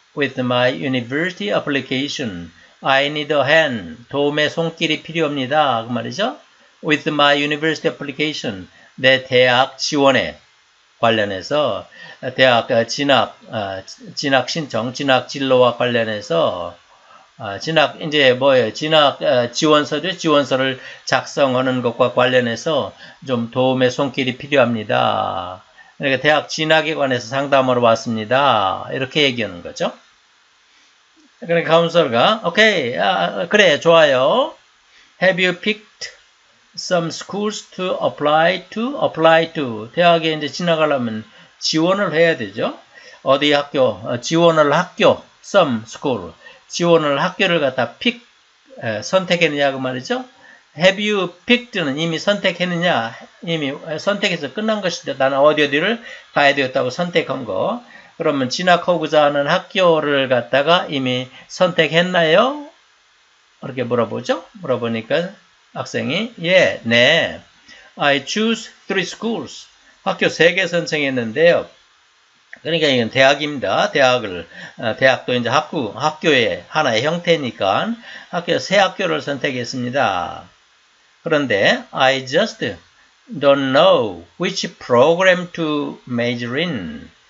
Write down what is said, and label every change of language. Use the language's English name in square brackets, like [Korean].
[English] With my university application, I need a hand. [Korean] 도움의 손길이 필요합니다. 그 말이죠. [English] With my university application, [Korean] 내 대학 지원에 관련해서, 대학 진학 신청, 진학 진로와 관련해서, 진학, 이제 뭐예요? 진학 지원서죠? 지원서를 작성하는 것과 관련해서 좀 도움의 손길이 필요합니다. 그러니까 대학 진학에 관해서 상담하러 왔습니다. 이렇게 얘기하는 거죠. 그러니까 카운슬러가 오케이 그래 좋아요. [English] Have you picked some schools to apply to? Apply to [Korean] 대학에 이제 지나가려면 지원을 해야 되죠. 어디 학교 지원을 학교 [English] some school [Korean] 지원을 학교를 갖다 pick 선택했느냐 그 말이죠. [English] Have you picked [Korean] 는 이미 선택했느냐 이미 선택해서 끝난 것인데 나는 어디를 가야 되었다고 선택한 거. 그러면 진학하고자 하는 학교를 갖다가 이미 선택했나요? 이렇게 물어보죠. 물어보니까 학생이 예, 네. [English] I choose three schools. [Korean] 학교 3개 선정했는데요. 그러니까 이건 대학입니다. 대학을 대학도 이제 학교의 하나의 형태니까 학교 세 학교를 선택했습니다. 그런데 [English] I just don't know which program to major in.